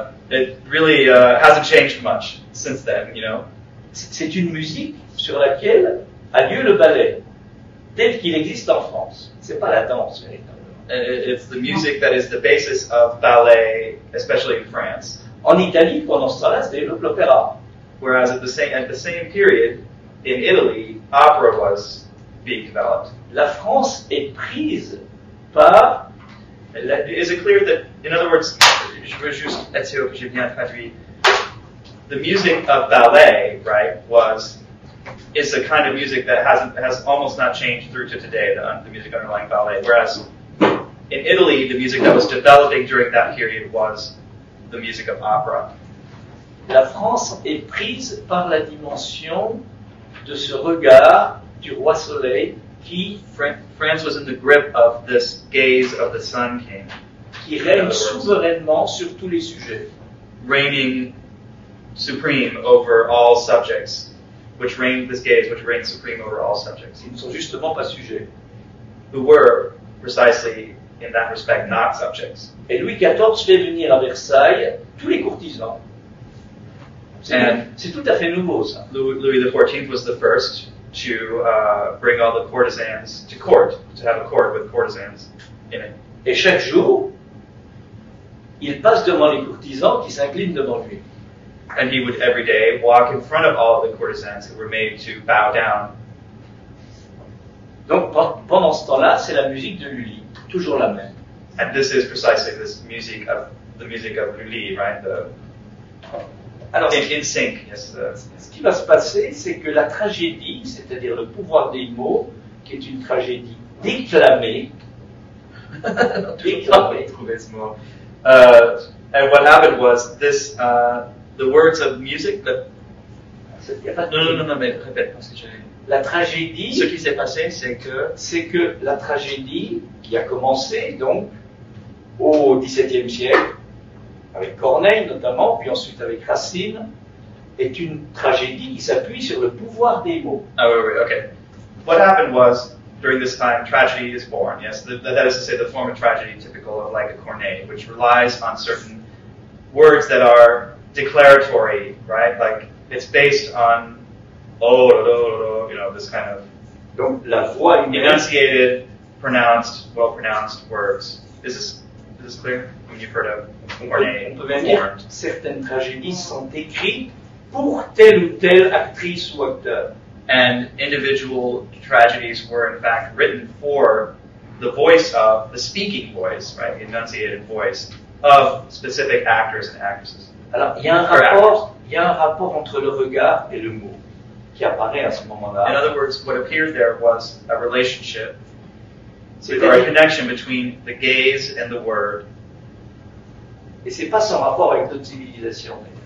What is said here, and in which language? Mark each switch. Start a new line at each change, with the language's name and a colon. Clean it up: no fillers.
English: it really hasn't changed much since then, you know.
French: C'est une musique sur laquelle a lieu le ballet, tel qu'il existe en France. C'est pas la danse, véritablement.
English: It's the music that is the basis of ballet, especially in France.
French: En Italie, pendant ce temps-là, se développe l'opéra.
English: Whereas at the same period, in Italy, opera was being developed.
French: La France est prise par...
English: Is it clear that, in other words,
French: je veux juste être sûr que j'ai bien traduit,
English: the music of ballet, right, is a kind of music that has almost not changed through to today, the music underlying ballet. Whereas in Italy, the music that was developing during that period was the music of opera.
French: La France est prise par la dimension de ce regard du roi soleil qui
English: France was in the grip of this gaze of the sun king.
French: qui règne souverainement sur tous les sujets.
English: Reigning supreme over all subjects. Which reigned this gaze, which reigned supreme over all subjects.
French: Ils ne sont justement pas sujets.
English: Who were precisely in that respect not subjects.
French: Et Louis XIV fait venir à Versailles tous les courtisans. C'est tout à fait nouveau ça.
English: Louis XIV was the first to bring all the courtesans to court, to have a court with courtesans in it.
French: Et chaque jour, il passe devant les courtisans qui s'inclinent devant lui.
English: And he would every day walk in front of all of the courtesans who were made to bow down.
French: Donc pendant ce temps-là, c'est la musique de Lully, toujours la même.
English: And this is precisely this music of the music of Lully, right? The,
French: alors,
English: in sync. Yes,
French: ce qui va se passer, c'est que la tragédie, c'est-à-dire le pouvoir des mots, qui est une tragédie déclamée.
English: And what happened was this, the words of music, but...
French: répète, parce que j'ai... La tragédie... Ce qui s'est passé, c'est que... C'est que la tragédie qui a commencé, donc, au XVIIe siècle, avec Corneille notamment, puis ensuite avec Racine, est une tragédie qui s'appuie sur le pouvoir des mots. Ah oui, oui, ok.
English: What happened was, during this time, tragedy is born, yes? That is to say, the form of tragedy typical of, like, a Corneille, which relies on certain words that are declaratory, right? Like, it's based on, you know, this kind of...
French: Donc, la voix humaine...
English: Enunciated, pronounced, well-pronounced words. Is this clear? I mean, you've heard of Corneille.
French: On peut venir, certaines tragédies sont écrites pour telle ou telle actrice ou acteur.
English: And individual tragedies were in fact written for the voice of, the speaking voice, right, the enunciated voice of specific actors and actresses.
French: Alors, il y a un rapport entre le regard et le mot qui apparaît à ce moment-là.
English: In other words, what appeared there was a relationship, or a connection between the gaze and the word.
French: Et c'est pas sans rapport avec d'autres civilisations.